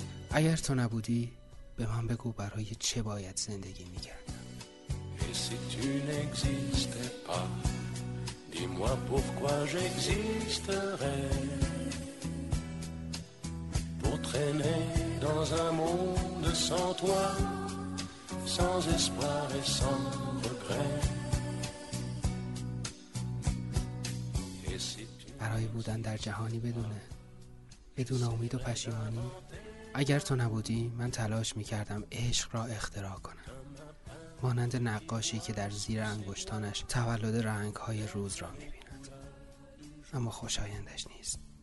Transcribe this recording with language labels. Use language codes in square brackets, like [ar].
[fa] اگر تو نبودی به من بگو برای چه باید زندگی می‌کردم. [fr] Si tu n'existais pas, dis-moi pourquoi j'existerais. Pour traîner dans un monde sans toi, sans espoir et sans regret. [fa] برای بودن در جهانی بدون امید و پشیمانی. اگر تو نبودی من تلاش میکردم عشق را اختراع کنم، مانند نقاشی که در زیر انگشتانش تولد رنگهای روز را میبیند اما خوشایندش نیست.